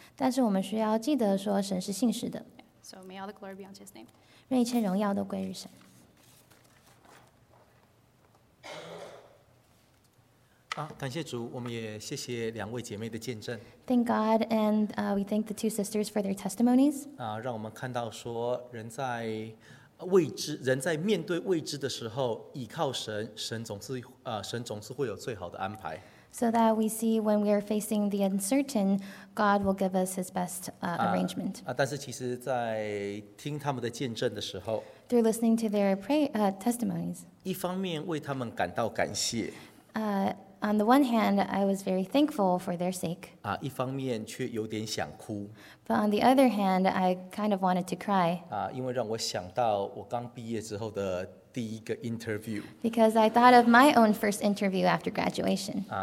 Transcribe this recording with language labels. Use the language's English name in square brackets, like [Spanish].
[Chinese] 但是我们需要记得说神是信实的。 [English] So may all the glory be unto His name. [Chinese] 愿一切荣耀都归于神。感谢主，我们也谢谢两位姐妹的见证。 [English] Thank God, and we thank the two sisters for their testimonies. [Chinese] 让我们看到说人在未知，人在面对未知的时候，倚靠神，神总是会有最好的安排。 [English] So that we see when we are facing the uncertain, God will give us His best arrangement. [Chinese] 但是其实，在听他们的见证的时候 [English] ，through listening to their testimonies, [Chinese] 一方面为他们感到感谢。 [English] On the one hand, I was very thankful for their sake. [Chinese] 一方面却有点想哭。 [English] But on the other hand, I kind of wanted to cry. [Chinese] 因为让我想到我刚毕业之后的第一个 interview. [English] Because I thought of my own first interview after graduation.